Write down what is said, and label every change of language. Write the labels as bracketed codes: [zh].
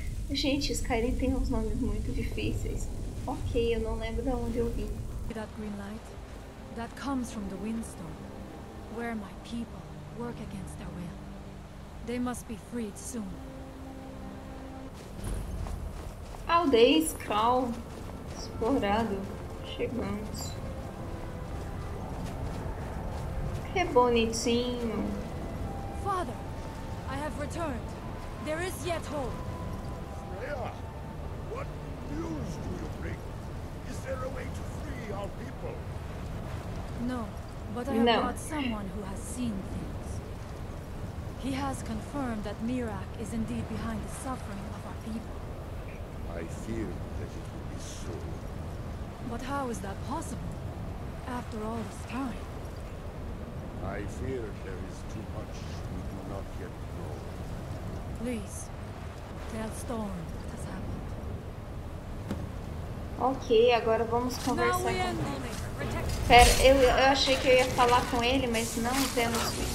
[pt] Gente, Skyrim tem uns nomes muito difíceis. Ok, eu não lembro de onde eu vim. [en] That green light? That comes from the windstorm. where my people work against their will. They must be freed soon. [pt] Aldeia Skrull explorado. Chegamos. Que bonitinho. [en] Father, I have returned. There is yet hope. Freya, what news do you bring? Is there a way to free our people? No, but I have got someone who has seen things. He has confirmed that Mirak is indeed behind the suffering of our people. I fear that it will be so. But how is that possible, after all this time? I fear there is too much we do not yet know. Please, tell Storm what has happened. [pt] Ok, agora vamos conversar com ele. Pera, eu achei que eu ia falar com ele, mas não temos...